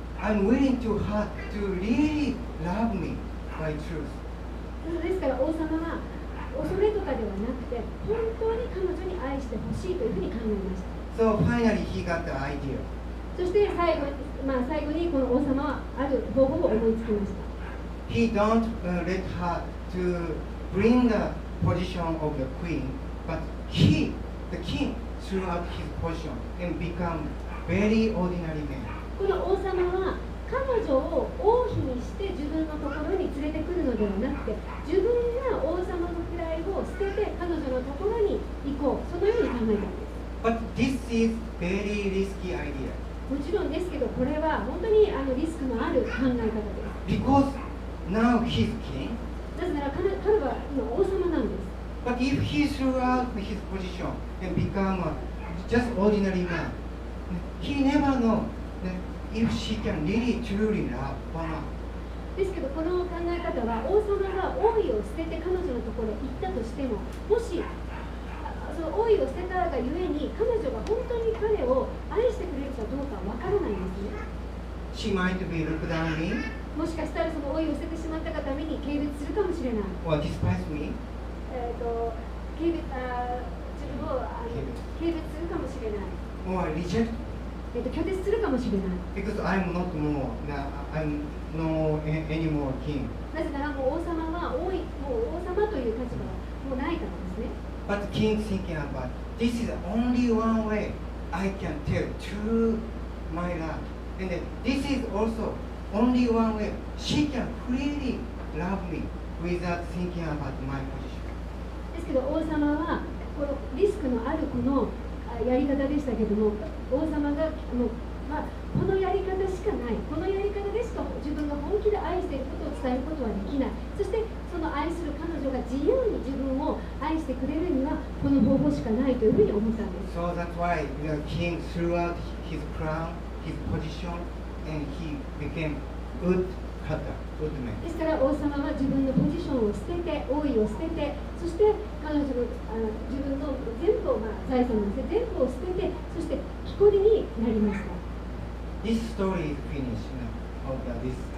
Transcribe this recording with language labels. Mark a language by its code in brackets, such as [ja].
[en] So I'm willing to her to really love me by truth. [ja] ですから王様は恐れとかではなくて本当に彼女に愛してほしいというふうに考えました。 [en] So finally he got the idea. [ja] そして最後にこの王様はある方法を思いつきました。 [en] He don't let her to bring the position of the queen, but he, the king, threw out his position and became very ordinary man. [ja] この王様は彼女を王妃にして自分のところに連れてくるのではなくて、自分が王様の位を捨てて彼女のところに行こう、そのように考えたんです。 [en] But this is very risky idea. [ja] もちろんですけど、これは本当にあのリスクのある考え方です。 [en] Because now he's king. [ja] なぜなら彼は今王様なんです。 [en] But if he threw out his position and become a just ordinary man, he never knowIf she can really truly love one. [ja] ですけどこの考え方は王様が王位を捨てて彼女のところに行ったとしても、もしその王位を捨てたがゆえに彼女が本当に彼を愛してくれるかどうかわからないんですね。 [en] She might be looked down on me. [ja] もしかしたらその王位を捨ててしまったがために軽蔑するかもしれない。 [en] Or despise me. [ja] 軽蔑するかもしれない。 [en] Or reject. [ja] 拒絶するかもしれない。 [en] Because I'm not more, I'm no anymore king. [ja] なぜならもう王様は多い、もう王様という立場はもうないからですね。 [en] But king thinking about this is only one way I can tell true my love, and this is also only one way she can freely love me without thinking about my position. [ja] ですけど王様はこのリスクのあるこのやり方でしたけども。王様がもう、まあ、このやり方しかない、このやり方でしか自分が本気で愛していることを伝えることはできない、そしてその愛する彼女が自由に自分を愛してくれるにはこの方法しかないというふうに思ったんです。 [en] So that's why the king threw out his crown, his position, and he became good cutter, good man. [ja] ですから王様は自分のポジションを捨てて、王位を捨てて、そして彼女の自分の全部を、まあ、財産を捨てて、全部を捨てて、そして木こりになりました。 [en] This story is finished now of this, this thing.